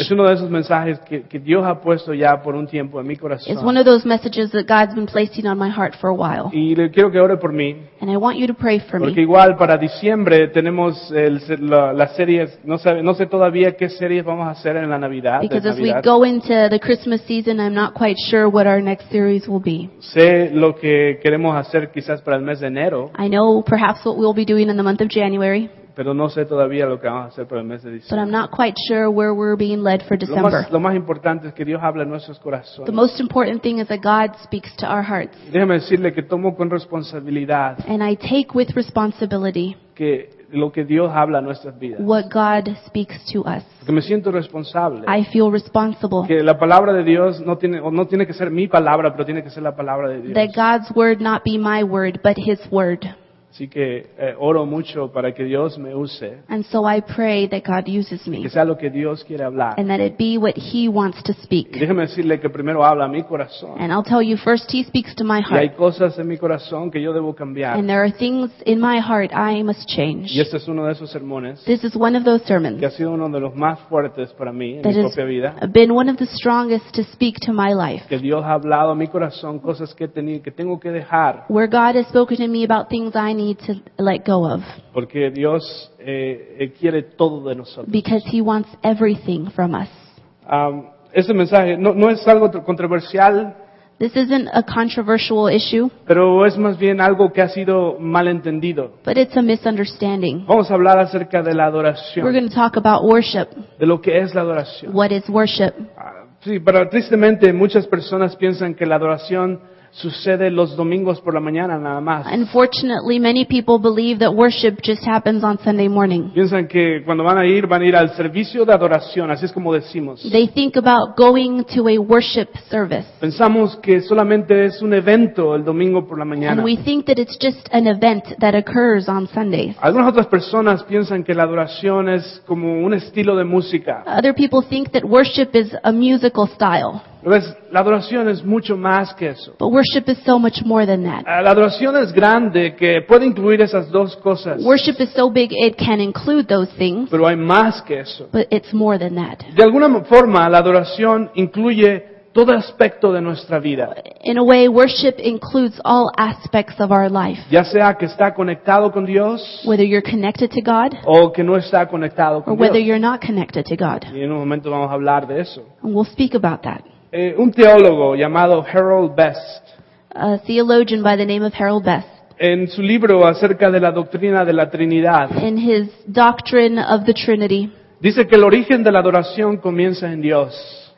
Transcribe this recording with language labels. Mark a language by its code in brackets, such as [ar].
[es] es uno de esos mensajes que Dios ha puesto ya por un tiempo en mi corazón. [en] It's one of those messages that God's been placing on my heart for a while. [es] Y le quiero que ore por mí. [en] And I want you to pray for [es] porque [en] me. [es] Igual para diciembre tenemos las series, no sé todavía qué series vamos a hacer en la Navidad. [en] Because as [es] Navidad, [en] we go into the Christmas season, I'm not quite sure what our next series will be. [es] Sé lo que queremos hacer quizás para el mes de enero. [en] I know perhaps what we'll be doing in the month of January. [es] Pero no sé todavía lo que vamos a hacer para el mes de diciembre. [en] But I'm not quite sure where we're being led for December. [es] Lo más importante es que Dios habla en nuestros corazones. [en] The most important thing is that God speaks to our hearts. [es] Y déjame decirle que tomo con responsabilidad. [en] And I take with responsibility. [es] Que lo que Dios habla en nuestras vidas. [en] What God speaks to us. [es] Que me siento responsable. [en] I feel responsible. [es] Que la palabra de Dios no tiene que ser mi palabra, pero tiene que ser la palabra de Dios. [en] That God's word not be my word, but His word. [es] Así que oro mucho para que Dios me use. [en] And so I pray that God uses me. [es] Que sea lo que Dios quiere hablar. [en] And that it be what He wants to speak. [es] Y déjeme decirle que primero habla a mi corazón. [en] And I'll tell you first, He speaks to my heart. [es] Y hay cosas en mi corazón que yo debo cambiar. [en] And there are things in my heart I must change. [es] Y este es uno de esos sermones. [en] This is one of those sermons. [es] Que ha sido uno de los más fuertes para mí en mi propia vida. [en] That has been one of the strongest to speak to my life. [es] Que Dios ha hablado a mi corazón cosas que tengo que dejar. [en] Where God has spoken to me about things I need to let go of. [es] Porque Dios quiere todo de nosotros. [en] Because He wants everything from us. [es] Este mensaje no es algo controversial. [en] This isn't a controversial issue. [es] Pero es más bien algo que ha sido malentendido. [en] But it's a misunderstanding. [es] Vamos a hablar acerca de la adoración. [en] We're going to talk about worship. [es] De lo que es la adoración. [en] What is worship? [es] Sí, pero tristemente muchas personas piensan que la adoración sucede los domingos por la mañana nada más. [en] Unfortunately, many people believe that worship just happens on Sunday morning. [es] Piensan que cuando van a ir al servicio de adoración, así es como decimos. [en] They think about going to a worship service. [es] Pensamos que solamente es un evento el domingo por la mañana. [en] And we think that it's just an event that occurs on Sundays. [es] Algunas otras personas piensan que la adoración es como un estilo de música. [en] Other people think that worship is a musical style. [es] La adoración es mucho más que eso. [en] But worship is so much more than that. [es] La adoración es grande que puede incluir esas dos cosas. [en] Worship is so big it can include those things. [es] Pero hay más que eso. [en] But it's more than that. [es] De alguna forma, la adoración incluye todo aspecto de nuestra vida. [en] In a way, worship includes all aspects of our life. [es] Ya sea que está conectado con Dios, [en] whether you're connected to God, [es] o que no está conectado con [en] Dios, or whether you're not connected to God. [es] Y en un momento vamos a hablar de eso. [en] And we'll speak about that. [es] Un teólogo llamado Harold Best. [en] A theologian by the name of Harold Best. [es] En su libro acerca de la doctrina de la Trinidad. [en] In his Doctrine of the Trinity. [es] Dice que el origen de la adoración comienza en Dios.